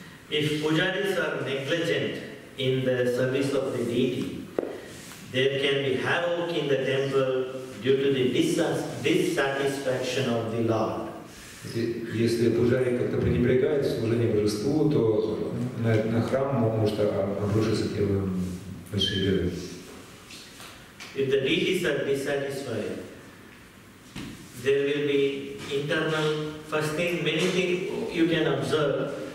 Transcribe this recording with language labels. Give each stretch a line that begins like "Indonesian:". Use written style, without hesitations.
English: If pujaris are negligent in the service of the deity, there can be havoc in the temple due to the dissatisfaction of the Lord.
Russian: Если пуджари как-то пренебрегают служение божеству, то на храм может обрушиться тело большие беды.
English: If the deities are dissatisfied, there will be internal, first thing, many things you can observe.